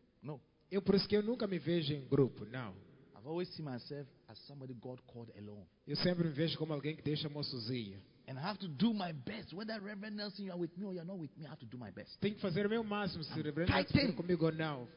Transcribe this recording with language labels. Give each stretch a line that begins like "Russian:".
English: No.
Portuguese: Eu por isso que eu nunca me vejo em grupo. Não.
English: I've always seen myself as somebody God called alone.
Portuguese: Eu sempre me vejo como alguém que Deus chamou sozinho.
English: And I have to do my best. Whether Reverend Nelson, you are with me or you are not with me, I have to do my best.
Portuguese: Tenho que fazer o meu máximo, se Reverend Nelson comigo ou não.